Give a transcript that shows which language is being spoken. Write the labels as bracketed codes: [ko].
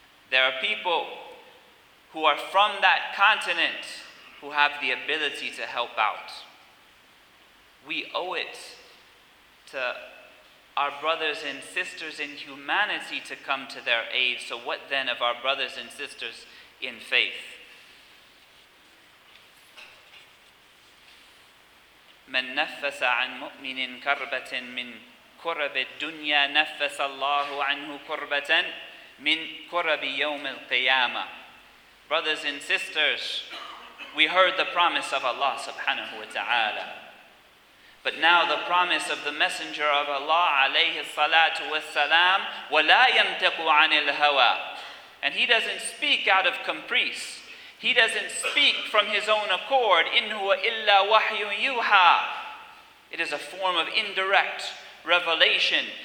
[en] There are people who are from that continent who have the ability to help out. We owe it to our brothers and sisters in humanity to come to their aid. So what then of our brothers and sisters in faith? [ar] مَن نَفَّسَ عَن مُؤْمِنٍ كَرْبَةٍ مِن كُرَبِ الدُّنْيَا نَفَّسَ اللَّهُ عَنْهُ كُرْبَةً مِن كُرَبِ يَوْمِ الْقِيَامَةِ [en] Brothers and sisters, we heard the promise of Allah subhanahu wa ta'ala. But now the promise of the Messenger of Allah alayhi salatu wassalam, [ar] وَلَا يَمْتَقُ عَنِ الْهَوَىٰ [en] And he doesn't speak out of caprice. He doesn't speak from his own accord. [ar] إِنْهُوَ إِلَّا وَحْيٌ يُوحَىٰ [en] It is a form of indirect revelation.